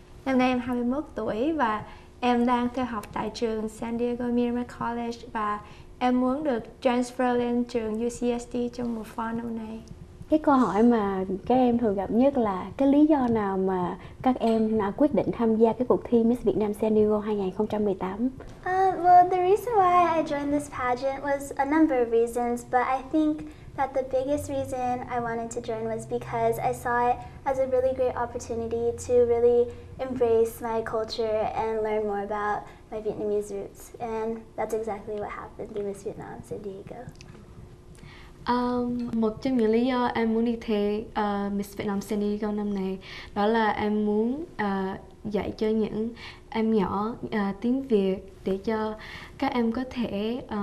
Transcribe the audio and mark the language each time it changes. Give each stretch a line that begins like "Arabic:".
Vietnamese: Năm nay em 21 tuổi và em đang theo học tại trường San Diego Miramar College và em muốn được transfer lên trường UCSD trong mùa fall năm nay. Cái câu hỏi mà các em thường gặp nhất là cái lý do nào mà các em quyết định tham gia cái cuộc thi Miss Việt Nam San Diego 2018?
English: Well, the reason why I joined this pageant was a number of reasons, but I think that the biggest reason I wanted to join was because I saw it as a really great opportunity to really embrace my culture and learn more about my Vietnamese roots. And that's exactly what happened in Miss Vietnam San Diego.
Vietnamese: Một trong những lý do em muốn đi thi Miss Vietnam San Diego năm nay đó là em muốn dạy cho những em nhỏ tiếng Việt để cho các em có thể